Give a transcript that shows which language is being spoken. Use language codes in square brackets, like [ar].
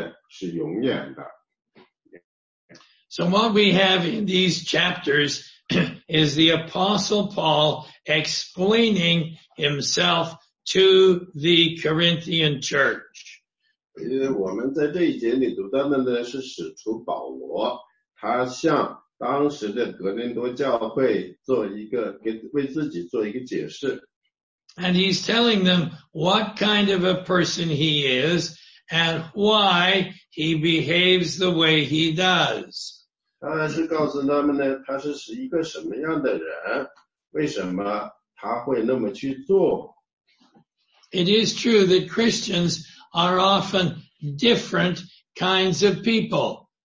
[zh] 原来我们不是顾念所见的，乃是顾念所不见的，因为所见的是暂时的，所不见的是永远的。 [en] So what we have in these chapters is the Apostle Paul explaining himself to the Corinthian church. [zh] 我们在这一节里读到的呢，是使徒保罗，他向 当时的格林多教会做一个，给，为自己做一个解释。 [en] And he's telling them what kind of a person he is and why he behaves the way he does. [zh] 他是告诉他们呢，他是一个什么样的人，为什么他会那么去做。 [en] It is true that Christians are often different kinds of people.